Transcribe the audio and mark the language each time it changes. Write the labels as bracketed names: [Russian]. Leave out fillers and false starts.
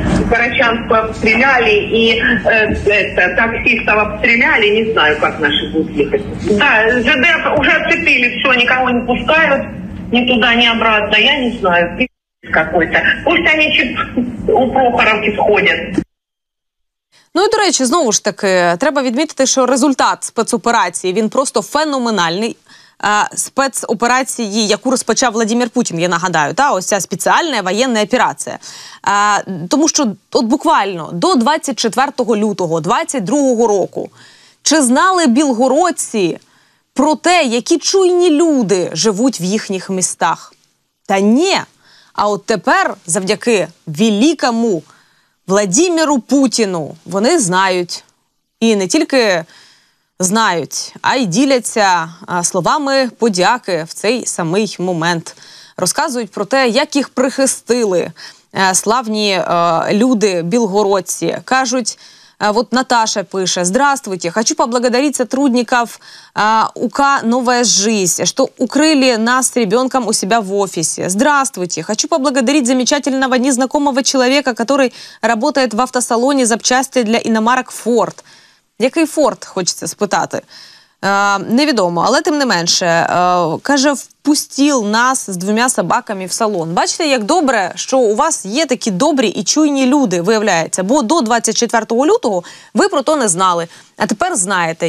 [Ukrainian] Парачанську обстріляли, і таксі там обстріляли, не знаю, як наші будуть їхати. Так, ЖД вже оцепили, все, нікого не пускають, ні туди, ні обратно, я не знаю, [Russian] какой-то. Пусть они у Прохоровки сходят. [Ukrainian] Ну і, до речі, знову ж таки, треба відмітити, що результат спецоперації, він просто феноменальний. Спецоперації, яку розпочав Владимир Путін, я нагадаю, та ось ця спеціальна воєнна операція. Тому що от буквально до 24 лютого 22-го року чи знали білгородці про те, які чуйні люди живуть в їхніх містах? Та ні. А от тепер, завдяки великому Владимиру Путіну, вони знають. І не тільки знають, а й діляться словами подяки в цей самий момент. Розказують про те, як їх прихистили славні люди білгородці. Кажуть, от Наташа пише: [Russian] «Здравствуйте, хочу поблагодарить сотрудников УК «Новая жизнь», что укрыли нас с ребенком у себя в офисе. Здравствуйте, хочу поблагодарить замечательного незнакомого человека, который работает в автосалоне запчасти для иномарок «Форд». [Ukrainian] Який «Форд», хочется спитати? Невідомо, але тим не менше. Каже, [Russian] впустил нас [Ukrainian] з двома собаками в салон. Бачите, як добре, що у вас є такі добрі і чуйні люди, виявляється. Бо до 24 лютого ви про то не знали. А тепер знаєте.